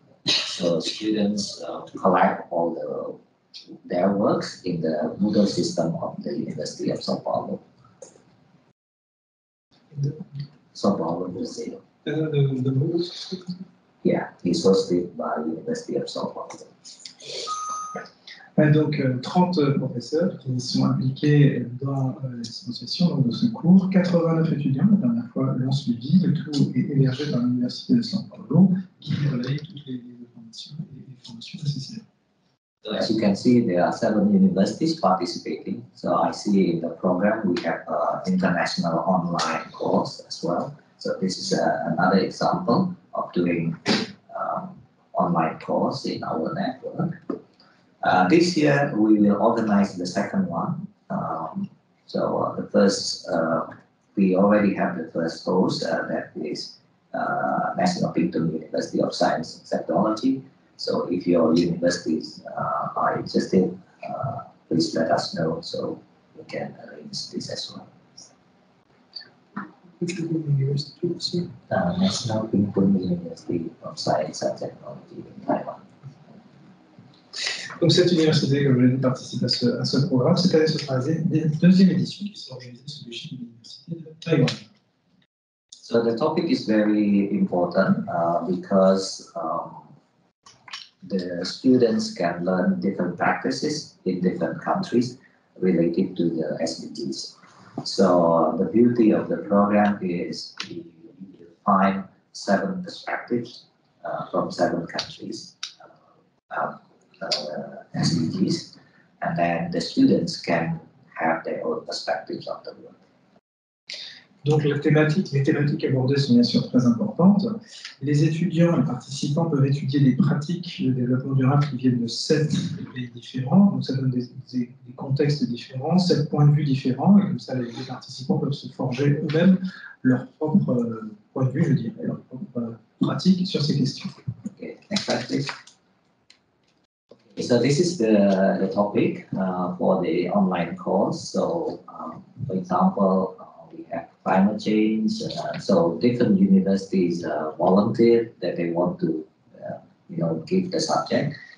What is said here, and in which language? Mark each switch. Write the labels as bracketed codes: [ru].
[en] So students collect all their works in the Moodle system of the University of São Paulo. São Paulo, Brazil. The Moodle system. Yeah, it's hosted by the University of São Paulo. [fr] Donc, 30 professeurs qui sont impliqués dans l'association, dans ce cours, 89 étudiants, la dernière fois, l'ont suivi, le tout est hébergé par l'Université de São Paulo, qui relaye toutes les formations et les formations nécessaires. [en] So as you can see, there are seven universities participating. So I see in the program we have an international online course as well. So this is another example of doing online course in our network. This year we will organize the second one. The first, we already have the first host that is National Pingtung University of Science and Technology. So if your universities are interested, please let us know so we can arrange this as well. Which university do you see? National Pingtung University of Science and Technology in Taiwan. [fr] Donc cette université participe à ce programme. Cette année, ce sera la deuxième édition qui sera organisée sous l'égide de l'Université de Taïwan. [en] So the topic is very important because the students can learn different practices in different countries related to the SDGs. So the beauty of the program is you find seven perspectives from seven countries. SDGs, and then the students can have their own perspectives of the world. [fr] Donc les thématiques abordées sont bien sûr très importantes. Les étudiants et participants peuvent étudier les pratiques de développement durable qui viennent de sept pays différents. Donc ça donne des contextes différents, sept points de vue différents, et comme ça les participants peuvent se forger eux-mêmes leur propre point de vue, je dirais, leur propre pratique sur ces questions. [en] Okay. So this is the topic for the online course. So, for example, we have climate change. So different universities volunteer that they want to, give the subject.